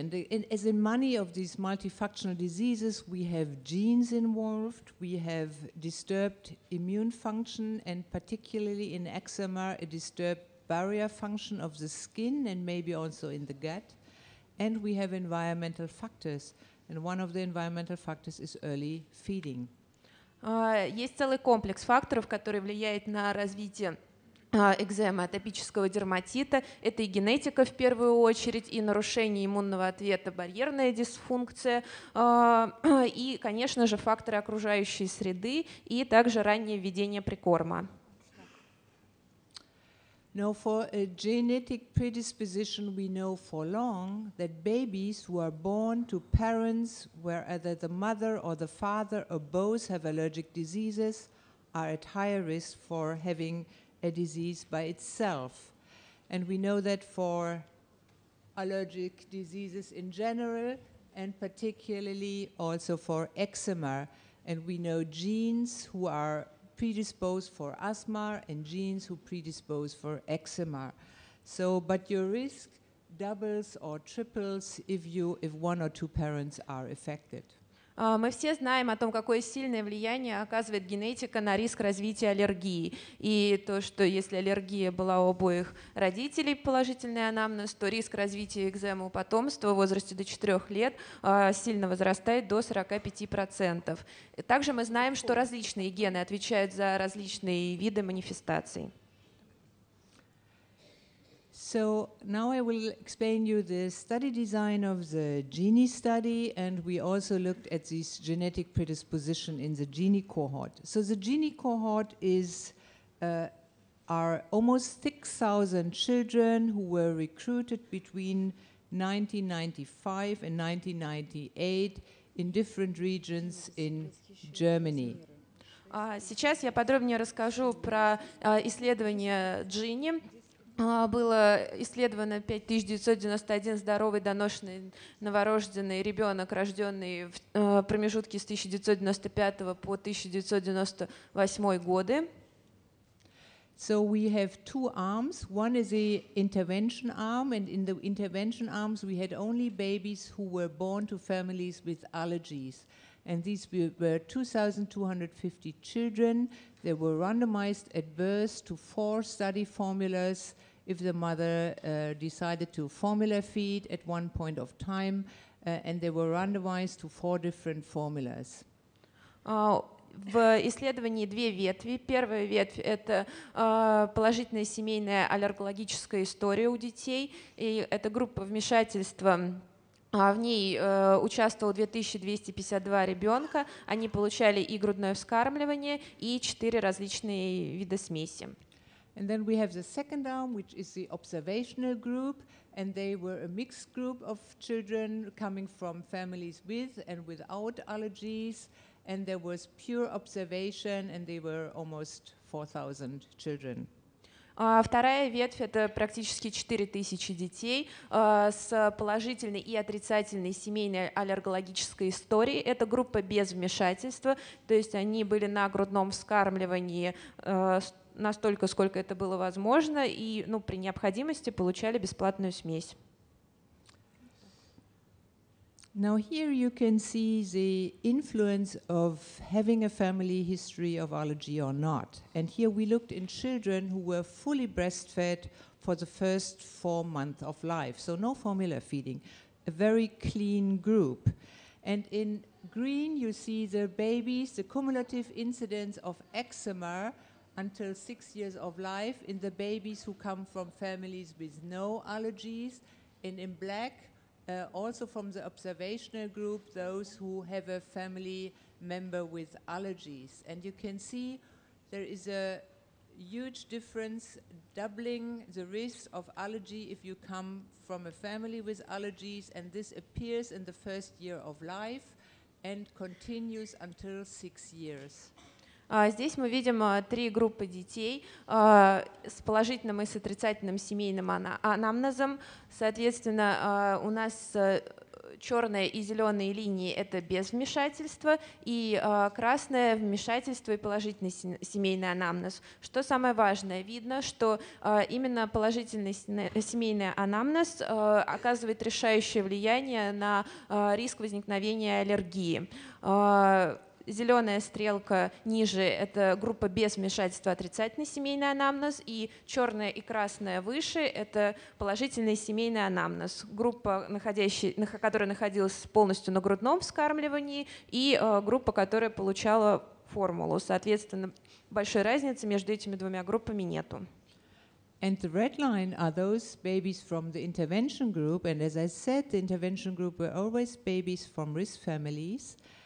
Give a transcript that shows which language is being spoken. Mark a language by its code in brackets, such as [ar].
[en] And as in many of these multifunctional diseases, we have genes involved, we have disturbed immune function, and particularly in eczema, a disturbed barrier function of the skin and maybe also in the gut. And we have environmental factors. And one of the environmental factors is early feeding. [ru] Есть целый комплекс факторов, который влияет на развитие экзема атопического дерматита. Это и генетика в первую очередь, и нарушение иммунного ответа, барьерная дисфункция, и, конечно же, факторы окружающей среды, и также раннее введение прикорма. [en] Now for a genetic predisposition, we know for long that babies who are born to parents where either the mother or the father or both have allergic diseases are at higher risk for having a disease by itself. And we know that for allergic diseases in general, and particularly also for eczema. And we know genes who are predisposed for asthma and genes who predispose for eczema. So, but your risk doubles or triples if one or two parents are affected. [ru] Мы все знаем о том, какое сильное влияние оказывает генетика на риск развития аллергии. И то, что если аллергия была у обоих родителей, положительный анамнез, то риск развития экземы у потомства в возрасте до 4 лет сильно возрастает до 45%. Также мы знаем, что различные гены отвечают за различные виды манифестаций. [en] So now I will explain you the study design of the GINI study, and we also looked at this genetic predisposition in the GINI cohort. So the GINI cohort are almost 6,000 children who were recruited between 1995 and 1998 in different regions in Germany. [ru] Сейчас я подробнее расскажу про исследование GINI. Было исследовано 5991 здоровый доношенный новорожденный ребенок, рожденный в промежутке с 1995 по 1998 годы. [en] So we have two arms. One is the intervention arm, and in the intervention arms we had only babies who were born to families with allergies. And these were 2,250 children. They were randomized at birth to four study formulas. If the mother decided to formula feed at one point of time, and they were randomized to four different formulas. [ru] В исследовании две ветви. Первая ветвь — это положительная семейная аллергологическая история у детей, и эта группа вмешательства В ней участвовало 2252 ребенка. Они получали и грудное вскармливание, и 4 различные вида смеси. [en] And then we have the second arm, which is the observational group, and they were a mixed group of children coming from families with and without allergies, and there was pure observation, and they were almost 4,000 children. [ru] Вторая ветвь — это практически 4000 детей с положительной и отрицательной семейной аллергологической историей. Это группа без вмешательства, то есть они были на грудном вскармливании настолько, сколько это было возможно, и ну, при необходимости получали бесплатную смесь. [en] Now here you can see the influence of having a family history of allergy or not. And here we looked in children who were fully breastfed for the first 4 months of life. So no formula feeding. A very clean group. And in green you see the babies, the cumulative incidence of eczema until 6 years of life in the babies who come from families with no allergies, and in black, also from the observational group, those who have a family member with allergies. And you can see there is a huge difference, doubling the risk of allergy if you come from a family with allergies, and this appears in the first year of life and continues until 6 years. [ru] Здесь мы видим три группы детей с положительным и с отрицательным семейным анамнезом. Соответственно, у нас черные и зеленые линии — это без вмешательства, и красное — вмешательство и положительный семейный анамнез. Что самое важное, видно, что именно положительный семейный анамнез оказывает решающее влияние на риск возникновения аллергии. Зеленая стрелка ниже — это группа без вмешательства, отрицательный семейный анамнез, и черная и красная выше — это положительный семейный анамнез, группа, которая находилась полностью на грудном вскармливании, и группа, которая получала формулу. Соответственно, большой разницы между этими двумя группами нету. [en] And the red line are those babies from the intervention group, and as I said, the intervention group were always babies from risk families.